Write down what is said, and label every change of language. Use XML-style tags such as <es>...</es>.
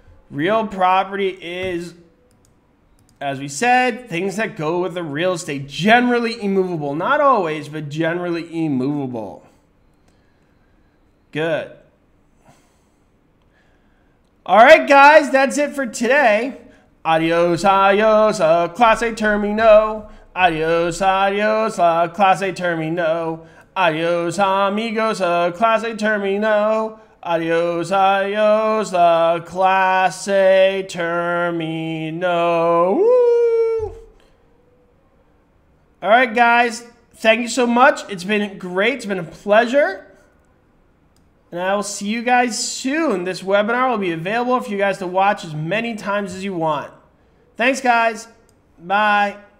<en>Real property is, as we said, things that go with the real estate. Generally immovable. Not always, but generally immovable. Good. All right, guys, that's it for today.</en> <es>Adios, adios, clase termino. Adios, adios, clase termino. Adios, amigos, clase termino. Adios, adios, clase termino.</es> <en>Woo! All right, guys, thank you so much. It's been great, it's been a pleasure. And I will see you guys soon. This webinar will be available for you guys to watch as many times as you want. Thanks, guys. Bye.</en>